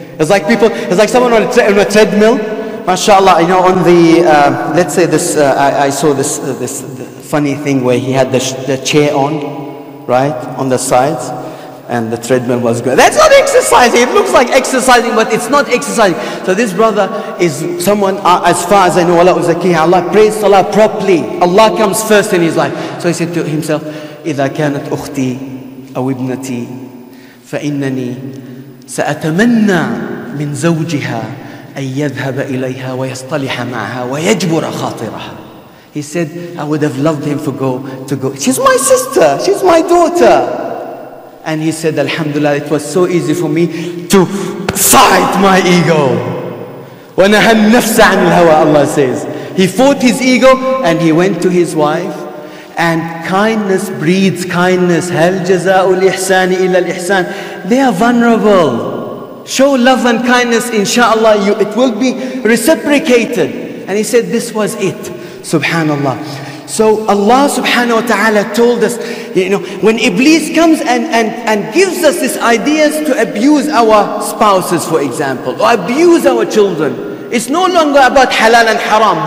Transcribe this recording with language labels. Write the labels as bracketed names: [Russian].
[English] It's like people, it's like someone on a treadmill, mashallah, you know, on the, let's say this, I saw this, this funny thing where he had the chair on, right, on the sides. And the treadmill was good. That's not exercising. It looks like exercising, but it's not exercising. So this brother is someone, as far as I know, Allah Uzakiha, Allah prays Salah properly. Allah comes first in his life. So he said to himself, [Arabic] إِذَا كَانَتْ أُخْتِي أَوْ إِبْنَتِي فَإِنَّنِي سَأَتَمَنَّى مِنْ زَوْجِهَا أَنْ يَذْهَبَ إِلَيْهَا وَيَصْطَلِحَ مَعَهَا وَيَجْبُرَ خَاطِرَهَا. [English] He said, I would have loved him to go. She's my sister. She's my daughter. And he said, Alhamdulillah, it was so easy for me to fight my ego. [Arabic] وَنَهَا النَّفْسَ عَنِ الْهَوَىٰ, [English] Allah says. He fought his ego and he went to his wife. And kindness breeds kindness. [Arabic] هَلْ جَزَاءُ الْإِحْسَانِ إِلَّا الْإِحْسَانِ. [English] They are vulnerable. Show love and kindness, inshallah, it will be reciprocated. And he said, this was it. Subhanallah. So Allah subhanahu wa ta'ala told us, you know, when Iblis comes and gives us these ideas to abuse our spouses, for example, or abuse our children, it's no longer about halal and haram.